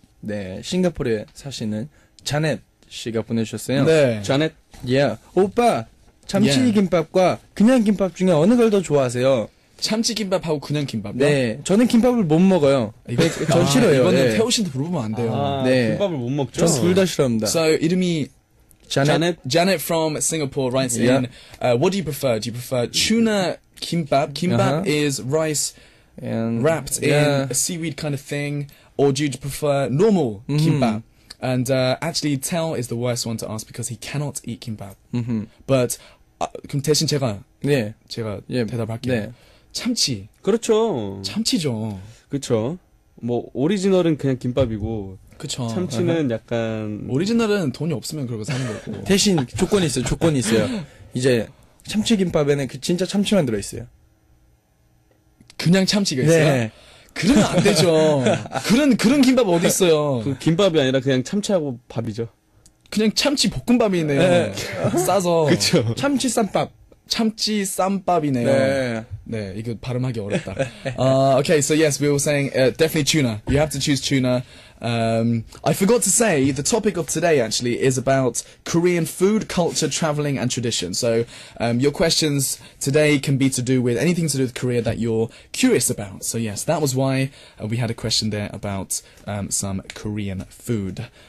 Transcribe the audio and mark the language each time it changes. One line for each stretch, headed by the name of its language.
Korean: 네, 싱가포르에 사시는 자넷 씨가 보내주셨어요. 네. 자넷.
English: Yeah.
Korean: 오빠, 참치김밥과 그냥 김밥 중에 어느 걸 더 좋아하세요? 참치김밥하고 그냥 김밥요? 네. 저는 김밥을 못 먹어요. 전 싫어요. 이거는 태호 씨한테 물어보면 안 돼요. 네. 김밥을 못 먹죠. 전 둘 다 싫어합니다. So, 이름이
English: Janet. Janet from Singapore writes in, what do you prefer? Do you prefer tuna kimbap? Kimbap is rice wrapped in a seaweed kind of thing. Or do you prefer normal kimbap? And actually, Tel is the worst one to ask because he cannot eat kimbap.
Korean: But, 그럼 대신 제가 대답할게요. 네. 참치. 그렇죠. 참치죠. 그렇죠. 뭐 오리지널은 그냥 김밥이고. 그렇죠. 참치는 약간. 오리지널은 돈이 없으면 그러고 사는 거고. 대신 조건이 있어요. 조건이 있어요. 이제 참치 김밥에는 그 진짜 참치만 들어 있어요. 그냥 참치가 있어요. 네. 그러면 안 되죠. 그런 김밥 어디 있어요? 그 김밥이 아니라 그냥 참치하고 밥이죠. 그냥 참치 볶음밥이네요. 네. 싸서. 그쵸. 참치 쌈밥. 참치 쌈밥이네요. 네. 네, 이거 발음하기 어렵다.
English: okay, so yes, we were saying definitely tuna. You have to choose tuna. I forgot to say, the topic of today actually is about Korean food, culture, traveling, and tradition. So your questions today can be to do with anything to do with Korea that you're curious about. So yes, that was why we had a question there about some Korean food.